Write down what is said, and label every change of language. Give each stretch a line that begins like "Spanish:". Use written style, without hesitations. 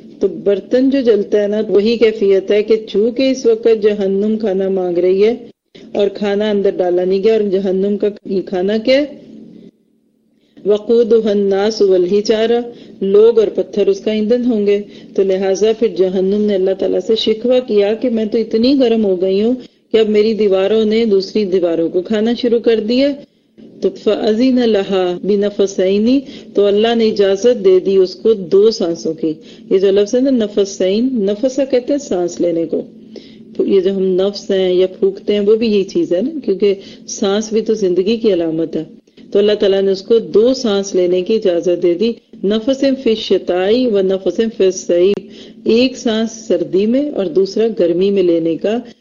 Urdu: تو برتن جو جلتا ہے نا، وہی کیفیت ہے کہ چونکہ اس وقت جہنم کھانا مانگ رہی ہے اور کھانا اندر ڈالا نہیں گیا، اور جہنم کا کھانا کیا؟
Arabic: وقودھا الناس والحجارہ،
Urdu: لوگ اور پتھر اس کا ایندھن ہوں گے. تو لہٰذا پھر جہنم نے اللہ تعالیٰ سے شکوا کیا کہ میں تو اتنی گرم ہو گئی ہوں کہ اب میری دیواروں نے دوسری دیواروں کو کھانا شروع کر دیا. تو
Arabic: فأذن لها بنفسین،
Urdu: تو اللہ نے اجازت دے دی اس کو دو سانسوں کی. یہ جو لفظ ہے نا نفسین، نفسا کہتے ہیں سانس لینے کو، یہ جو ہم نفس ہیں یا پھونکتے ہیں وہ بھی یہی چیز ہے نا، کیونکہ سانس بھی تو زندگی کی علامت ہے. تو اللہ تعالیٰ نے اس کو دو سانس لینے کی اجازت دے دی،
Arabic: نفس فی الشتائی و نفس فی الصیف،
Urdu: ایک سانس سردی میں اور دوسرا گرمی میں لینے کا.